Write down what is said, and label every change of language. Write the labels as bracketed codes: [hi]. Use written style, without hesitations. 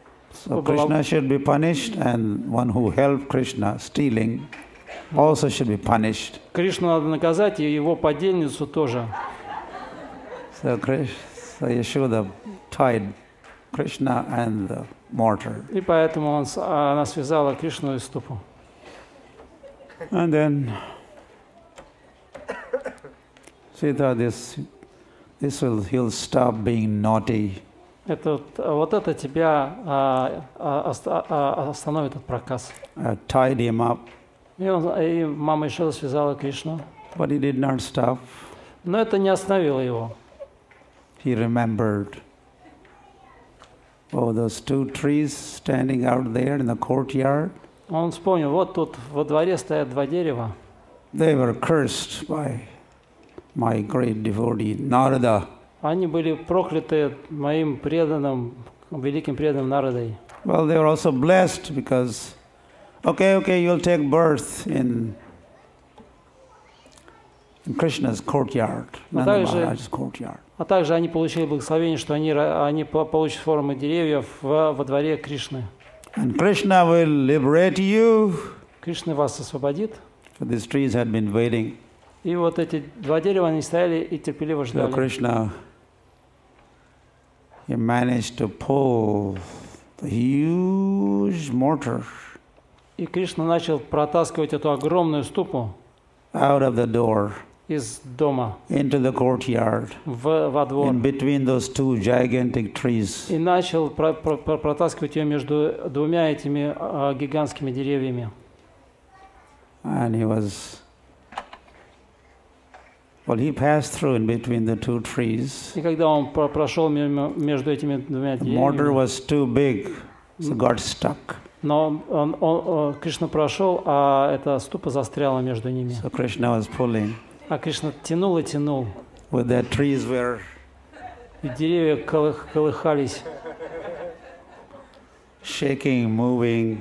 [en] So Krishna should be punished, and one who helped Krishna stealing also should be punished. [ru] Кришну надо наказать, и его подельницу тоже. [en] So Krishna. So Yashoda tied Krishna and the mortar. [ru] И поэтому она связала Кришну и ступу. [en] And then she thought this will he'll stop being naughty. [ru] Это тебя остановит от проказ. [en] Tied him up. [ru] И мама Ишода связала Кришну. [en] But he did not stop. [ru] Но это не остановило его. [en] He remembered, those two trees standing out there in the courtyard. [ru] Он вспомнил, вот тут во дворе стоят два дерева. [en] They were cursed by my great devotee Narada. [ru] Они были прокляты моим преданным, великим преданным Нарадой. [en] Well, they were also blessed because, okay, you'll take birth in Krishna's courtyard, Nandamaharaj's courtyard. [ru] А также они получили благословение, что они получат формы деревьев во дворе Кришны. [en] And Krishna will liberate you. [ru] Кришна вас освободит. [en] For these trees had been waiting. [ru] И вот эти два дерева они стояли и терпеливо ждали. [en] So Krishna, he managed to pull the huge mortar. [ru] И Кришна начал протаскивать эту огромную ступу. [en] Out of the door. [ru] из дома, [en] into the courtyard, [ru] во двор, [en] in between those two gigantic trees. [ru] И начал протаскивать ее между двумя этими гигантскими деревьями. [en] And he was, well, he passed through in between the two trees. [ru] И когда он прошел между этими двумя деревьями, [en] the mortar was too big, so got stuck. [ru] Но он Кришна прошел, а эта ступа застряла между ними. [en] So Krishna was pulling. [ru] А Кришна тянул и тянул. [en] With the trees were. [ru] И деревья колыхались. [en] Shaking, moving.